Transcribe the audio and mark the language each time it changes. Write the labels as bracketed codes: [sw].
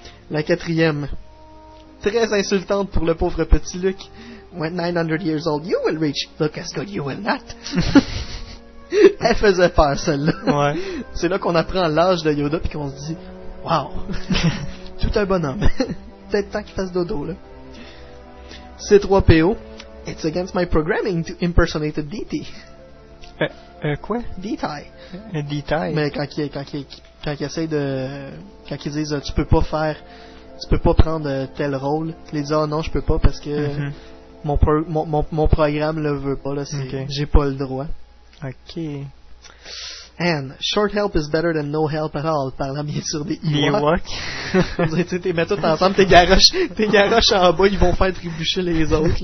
[fr] La quatrième, très insultante pour le pauvre petit Luke. [en] When 900 years old, you will reach. Look as good, you will not. [fr] Elle faisait peur, celle-là. Ouais. C'est là qu'on apprend l'âge de Yoda puis qu'on se dit, Wow, tout un bonhomme. Peut-être temps qu'il fasse dodo, là. [en] C3PO, it's against my programming to impersonate a DT. [fr] Quoi? DTI. DTI. Mais quand il essaye de... Quand ils disent, tu peux pas faire... Tu peux pas prendre tel rôle. Il dit, non, je peux pas parce que... Mm-hmm. Mon programme le veut pas, là. C'est, okay. J'ai pas le droit. Ok. [en] And short help is better than no help at all. [fr] Parlant bien sûr des Ewoks. Tu sais, mets tout ensemble, tes garoches en bas, ils vont faire trébucher les autres.